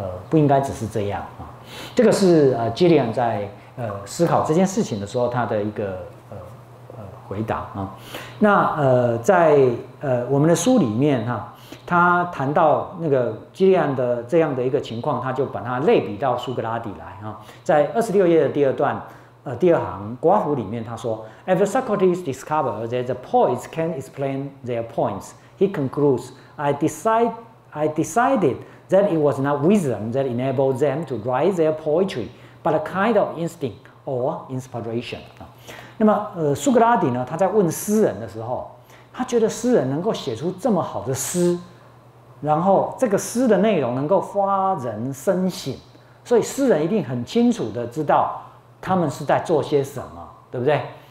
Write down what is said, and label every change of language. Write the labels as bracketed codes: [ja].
[zh] 不应该只是这样啊。这个是Gillian 在思考这件事情的时候，他的一个回答啊。那在我们的书里面哈、啊，他谈到那个基利安的这样的一个情况，他就把它类比到苏格拉底来啊。在26页的第二段第二行括弧里面，他说 [en] ：“After Socrates discovered that the poets can explain their points, he concludes, I decided that it was not wisdom that enabled them to write their poetry, but a kind of instinct or inspiration.” [zh] 那么苏格拉底呢，他在问诗人的时候，他觉得诗人能够写出这么好的诗，然后这个诗的内容能够发人深省，所以诗人一定很清楚的知道他们是在做些什么，对不对？